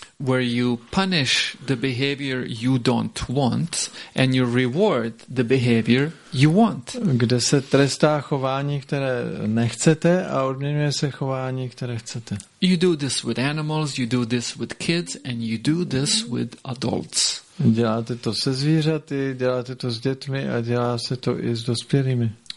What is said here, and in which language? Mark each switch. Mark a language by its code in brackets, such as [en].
[en] Where you punish the behavior you don't want and you reward the behavior you want. [cs] Kde se trestá chování, které nechcete, a odměňuje se chování, které chcete. [en] You do this with animals, you do this with kids and you do this with adults. [cs] Děláte to se zvířaty, děláte to s dětmi a děláte to i s dospělými.